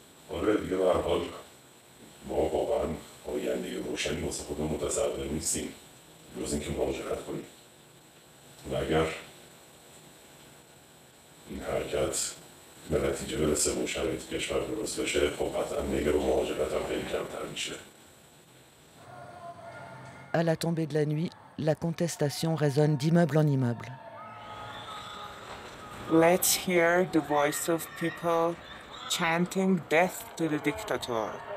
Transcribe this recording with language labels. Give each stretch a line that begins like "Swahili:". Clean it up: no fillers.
Persian: آره دیگه به هر حال ما واقعا آینده روشنی واسه خودمون متصور نیستیم جز اینکه مهاجرت کنیم، و اگر این حرکت به نتیجه برسه و شرایط کشور درست بشه، خب قطعا میگه و مهاجرت هم خیلی کمتر میشه.
French: À la tombée de la nuit, la contestation résonne d'immeuble en immeuble.
English: Let's hear the voice of people chanting death to the dictator.